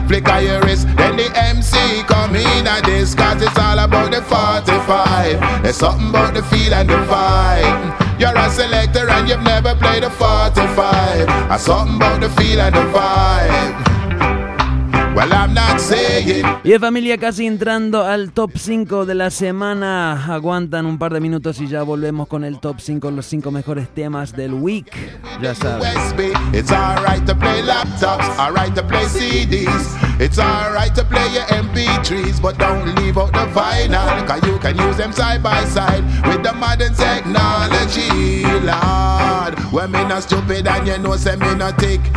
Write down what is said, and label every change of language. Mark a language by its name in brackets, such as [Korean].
[English] Flick of your wrist, then the MC come in at this. Cause it's all about the 45. There's something about the feel and the vibe. You're a selector and you've never played a 45. A something about the feel and the vibe. Well, I'm not saying. [Spanish] Y familia, casi entrando al top 5 de la semana. Aguantan un par de minutos y ya volvemos con el top 5, los 5 mejores temas del week. Ya sabes. [English] It's alright to play laptops, alright to play CDs. It's alright to play your MP3s, but don't leave out the vinyl. Cause you can use them side by side with the modern technology. Lord, well, me not stupid and you know say me not tick.